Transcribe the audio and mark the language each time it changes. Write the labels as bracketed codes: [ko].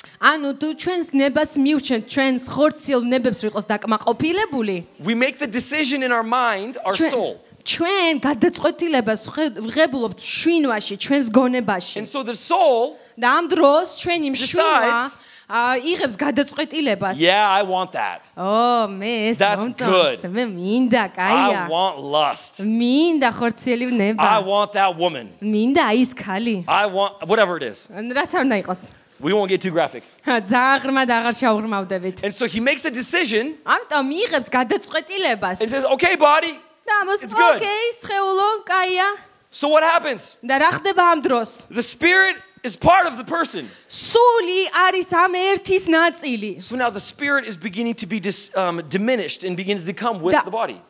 [ka] Ანუ თუ ჩვენს ნებას მივჩენთ, ჩვენს ხორციელ ნებებს ვიყოს დაკმაყოფილებული. [en] We make the decision in our mind, our soul. [ka] ჩვენ გადაწყვეტილებას ვღებულობთ შინვაში, ჩვენს გონებაში. [en] And so the soul. [ka] და ამ დროს ჩვენი მშვენა იღებს გადაწყვეტილებას. [en] Yeah, I want that. [ka] Oh, მე ეს მომწონს. მე მინდა, კაია. [en] I want lust. [ka] მინდა ხორციელი ნება. [en] I want that woman. [ka] მინდა ის ქალი. [en] I want whatever it is. [ka] ან რაც არ უნდა იყოს. [en] We won't get too graphic. [ka] ძაღრმად აღარ შავღრმავდებით. [en] And so he makes a decision. [ka] ამიტომ იღებს გადაწყვეტილებას. [en] He says, "Okay, body." [ka] და ამას, "Okay, სხეულო, კაია." [en] So what happens? [ka] და რა ხდება ამ დროს? [en] The spirit is part of the person. [ka] სული არის ამ ერთის ნაწილი. [en] So now the spirit is beginning to be diminished and begins to come with the body.